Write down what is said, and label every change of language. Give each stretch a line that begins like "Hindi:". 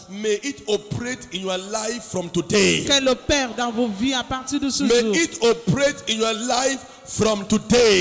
English: May it operate in your life from today.
French: Qu'elle opère dans vos vies à partir de ce
English: may May it operate in your life from today.